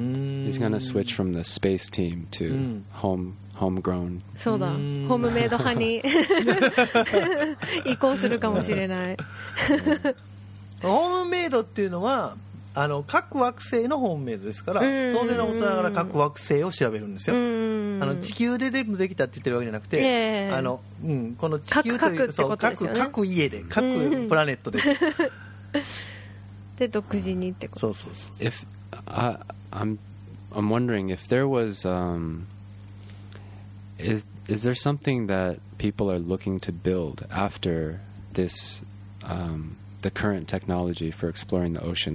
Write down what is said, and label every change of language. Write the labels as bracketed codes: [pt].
[en] He's gonna switch from the space team to homegrown. [ja] そうだ、ホームメイド派に移行するかもしれない。ホームメイドっていうのはあの各惑星のホームメイドですから、当然のことながら各惑星を調べるんですよ。あの地球で全部できたって言ってるわけじゃなくて、あの、この地球という各家で各プラネットでで独自にってこと。そう。 [en] If I'm wondering if there was is there something that people are looking to build after this the current technology for exploring the ocean?